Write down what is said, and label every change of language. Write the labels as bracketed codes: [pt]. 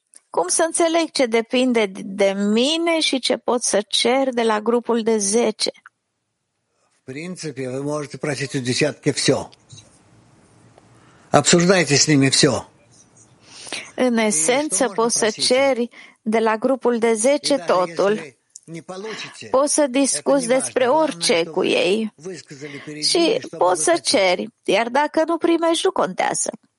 [ro] Cum să înțeleg ce depinde de mine și ce pot să cer de la grupul de 10? [ru] В принципе, вы можете просить у десятки все. Обсуждайте с ними все. [ro] În esență, poți să ceri de la grupul de 10 totul. Poți să discuți despre orice cu ei și poți să ceri. Iar dacă nu primești, nu contează.